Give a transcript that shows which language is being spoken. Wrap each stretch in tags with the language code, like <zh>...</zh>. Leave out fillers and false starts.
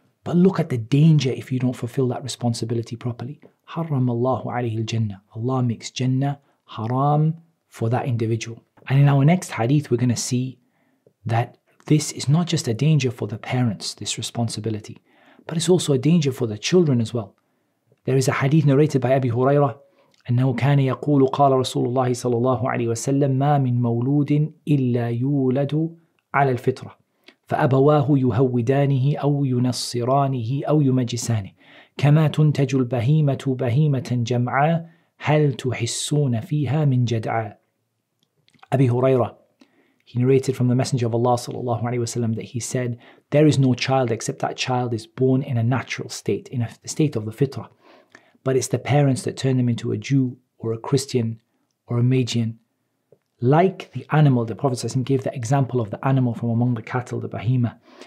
<en>But look at the danger if you don't fulfill that responsibility properly.</en> <ar>Haram Allahu alayhi al-jannah.</ar> <en>Allah makes Jannah haram for that individual. And in our next hadith, we're going to see that this is not just a danger for the parents, this responsibility, but it's also a danger for the children as well. There is a hadith narrated by Abi Huraira,</en> <ar>أَنَّهُ كَانَ يَقُولُ قَالَ رَسُولُ اللَّهِ صَلَى اللَّهُ عَلَيْهِ وَسَلَّمْ مَا مِن مَوْلُودٍ إِلَّا يُولَدُ عَلَى الْفِطْرَةِ فَأَبَوَاهُ يُهَوِّدَانِهِ أَوْ يُنَصِّرَانِهِ أَوْ يُمَجِسَانِهِ كَمَا تُنْتَجُ الْبَهِيمَةُ بَهِيمَةً جَمْعًا هَلْ تُحِسُّونَ فِيهَا مِن جَدْعًا.</ar> <en>Abi Huraira, he narrated from the Messenger of Allah sallallahu alayhi wasallam that he said, there is no child except that child is born in a natural state, in the state of the fitrah. But it's the parents that turn them into a Jew or a Christian or a Magian. Like the animal, the Prophet ﷺ gave the example of the animal from among the cattle, the Bahima.</en>